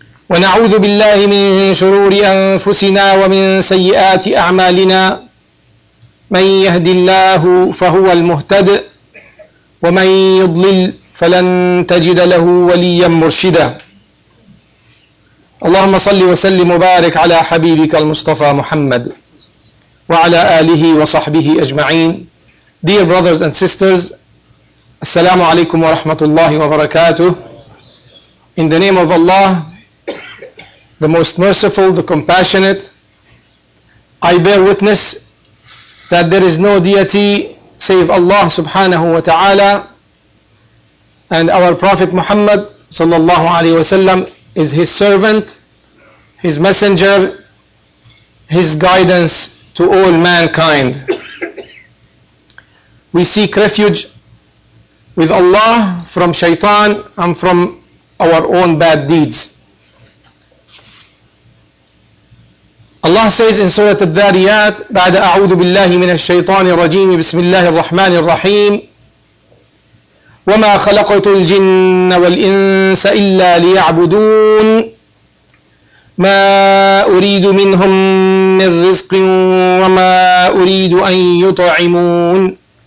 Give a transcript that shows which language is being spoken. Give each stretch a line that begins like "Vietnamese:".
Arabic: ونعوذ بالله من شرور أنفسنا ومن سيئات أعمالنا من يهدي الله فهو المهتد ومن يضلل فلن تجد له وليا مرشدا اللهم صل وسلم وبارك على حبيبك المصطفى محمد وعلى آله وصحبه أجمعين.
English: Dear brothers and sisters,
Arabic: السلام عليكم ورحمة الله وبركاته.
English: In the name of Allah, the most merciful, the compassionate, I bear witness that there is no deity save Allah subhanahu wa ta'ala, and our Prophet Muhammad sallallahu alayhi wasallam is his servant, his messenger, his guidance to all mankind. We seek refuge with Allah from shaitan and from our own bad deeds. Allah says in Surah Al-Dhariyat,
Arabic: بعد أعوذ بالله من الشيطان الرجيم بسم الله الرحمن الرحيم وما خلقت الجن والإنس إلا ليعبدون ما أريد منهم من رزق وما أريد أن يطعمون.